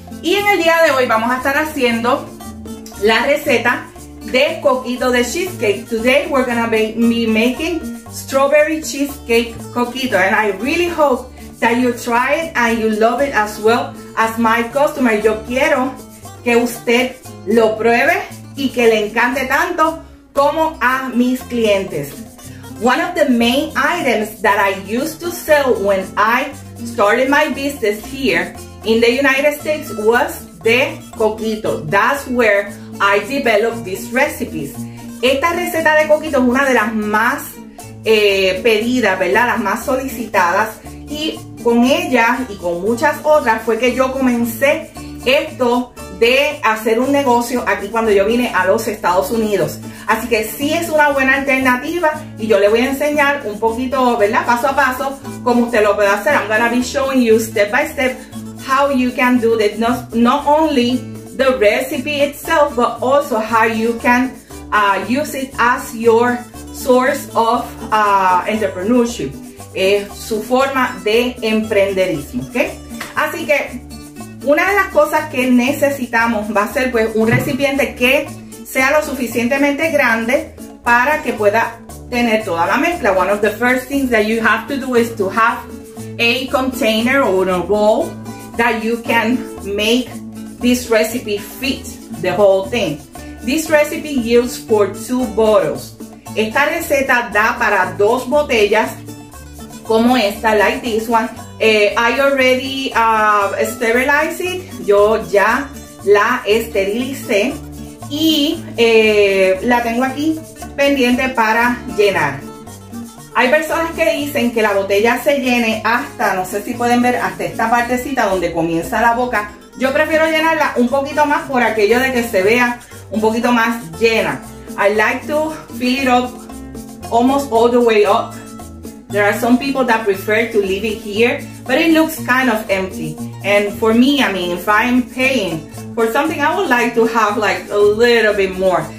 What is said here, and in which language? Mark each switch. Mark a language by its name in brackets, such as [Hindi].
[Spanish] Y en el día de hoy vamos a estar haciendo la receta de coquito de cheesecake. [English] Today we're gonna be making strawberry cheesecake coquito, and I really hope that you try it and you love it as well as my customer. [Spanish] Yo quiero que usted lo pruebe y que le encante tanto como a mis clientes. [English] One of the main items that I used to sell when I started my business here in the United States was the coquito. That's where I developed these recipes. [Spanish] Esta receta de coquito es una de las más pedidas, ¿verdad? Las más solicitadas. Y con ella y con muchas otras fue que yo comencé esto de hacer un negocio aquí cuando yo vine a los Estados Unidos. Así que sí es una buena alternativa y yo le voy a enseñar un poquito, ¿verdad? Paso a paso, cómo usted lo puede hacer. [English] I'm gonna be showing you step by step how you can do it. Not only the recipe itself, but also how you can use it as your source of entrepreneurship. [Spanish] Su forma de emprenderismo, ¿ok? Así que una de las cosas que necesitamos va a ser pues un recipiente que sea lo suficientemente grande para que pueda tener toda la mezcla. [English] One of the first things that you have to do is to have a container or a bowl that you can make this recipe fit the whole thing. This recipe yields for 2 bottles. [Spanish] Esta receta da para 2 botellas como esta, [English] like this one. I already sterilized it. [Spanish] Yo ya la esterilicé. Y la tengo aquí pendiente para llenar. Hay personas que dicen que la botella se llene hasta, no sé si pueden ver, hasta esta partecita donde comienza la boca. Yo prefiero llenarla un poquito más por aquello de que se vea un poquito más llena. [English] I like to fill it up almost all the way up. There are some people that prefer to leave it here, but it looks kind of empty. And for me, I mean, if I'm paying for something, I would like to have like a little bit more.